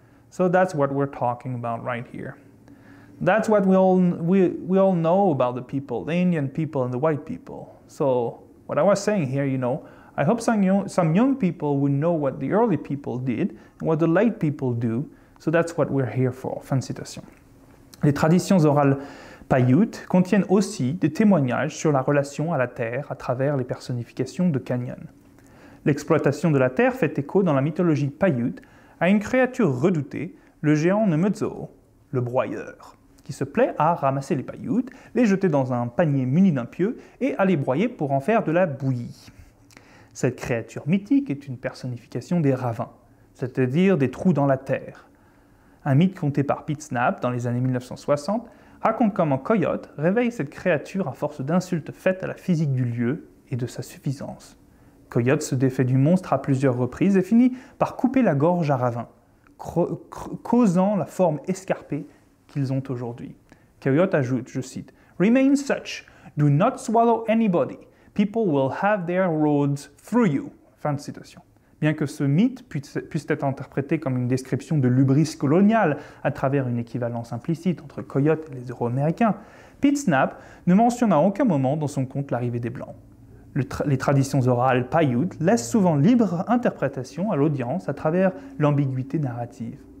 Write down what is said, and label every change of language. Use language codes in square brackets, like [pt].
[en] So that's what we're talking about right here. That's what we all know about the people, the Indian people and the white people. So What I was saying here, you know, I hope some young people would know what the early people did and what the late people do. So that's what we're here for. [fr] Fin de citation. Les traditions orales Paiute contiennent aussi des témoignages sur la relation à la terre à travers les personnifications de Canyon. L'exploitation de la terre fait écho dans la mythologie Paiute à une créature redoutée, le géant Nemedzo, le broyeur, qui se plaît à ramasser les Paiutes, les jeter dans un panier muni d'un pieu et à les broyer pour en faire de la bouillie. Cette créature mythique est une personnification des ravins, c'est-à-dire des trous dans la terre. Un mythe conté par Pete Snapp dans les années 1960 raconte comment Coyote réveille cette créature à force d'insultes faites à la physique du lieu et de sa suffisance. Coyote se défait du monstre à plusieurs reprises et finit par couper la gorge à Ravin, causant la forme escarpée qu'ils ont aujourd'hui. Coyote ajoute, je cite, [en] « Remain such, do not swallow anybody, people will have their roads through you. » [fr] Fin de citation. Bien que ce mythe puisse être interprété comme une description de l'hubris coloniale à travers une équivalence implicite entre Coyote et les Euro-Américains, Pete Snapp ne mentionne à aucun moment dans son conte l'arrivée des Blancs. Les traditions orales Paiute laissent souvent libre interprétation à l'audience à travers l'ambiguïté narrative.